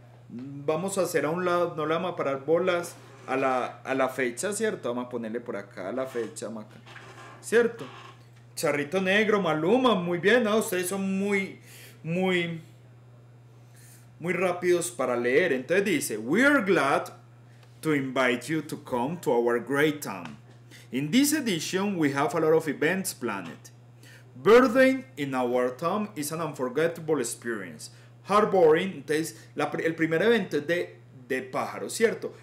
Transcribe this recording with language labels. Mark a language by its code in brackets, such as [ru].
[es] Vamos a hacer a un lado, no le vamos a parar bolas a la fecha, ¿cierto? Vamos a ponerle por acá la fecha, Maca. ¿Cierto? Charrito Negro, Maluma, muy bien, ¿no? Ustedes son muy, muy, muy rápidos para leer. Entonces dice: [en] We are glad to invite you to come to our great town. In this edition, we have a lot of events planned. Birthing in our town is an unforgettable experience. [es] Harboring, entonces el primer evento es de pájaros, ¿cierto?